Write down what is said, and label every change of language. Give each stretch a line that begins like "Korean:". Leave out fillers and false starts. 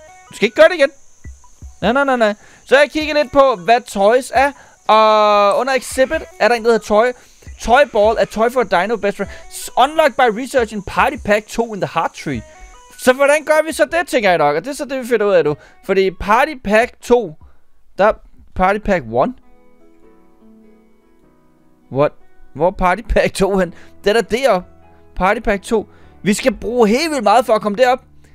Danish: Du skal ikke gøre det igen. Nej. Så har jeg kigget lidt på, hvad toys er. Og under exhibit er der en, der hedder toy.
English: Toy ball, a toy for a dino best friend. Unlocked by research in party pack 2 in the heart tree.
Danish: Så hvordan gør vi så det, tænker jeg nok. Og det er så det, vi finder ud af nu. Fordi party pack 2... Der er party pack 1. What? Hvor er party pack 2 hen? Den er derop. Party pack 2. Vi skal bruge helt vildt meget for at komme derop.